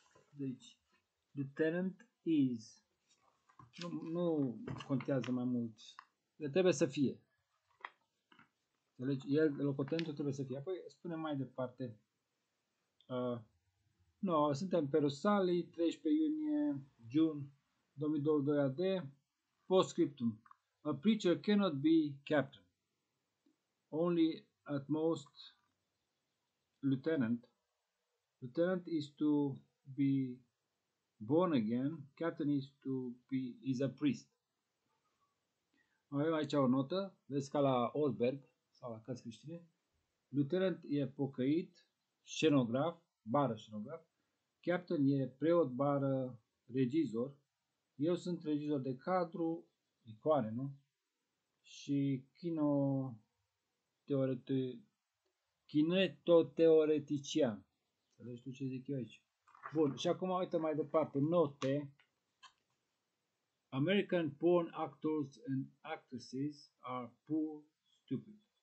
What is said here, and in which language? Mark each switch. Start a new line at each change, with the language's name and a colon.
Romanian: Deci, lieutenant is. Nu contează mai mult. El trebuie să fie. Deci, el, locotenentul, trebuie să fie. Apoi, spune mai departe. Suntem pe Rusalii, 13 iunie, June 2022 AD. Postscriptum.
English: A preacher cannot be captain. Only at most... Lieutenant is to be born again, captain is to be, is a priest.
Romanian: Avem aici o notă, vezi ca la Olberg, sau la cărți creștine. Lieutenant e pocăit, scenograf, bară scenograf, captain e preot, bară regizor, eu sunt regizor de cadru, icoane, nu? Și kino teoretic. Kinetoteoretician. Vezi tu ce zic eu aici. Bun, și acum uite mai departe.
English: Note. American porn actors and actresses are poor, stupid.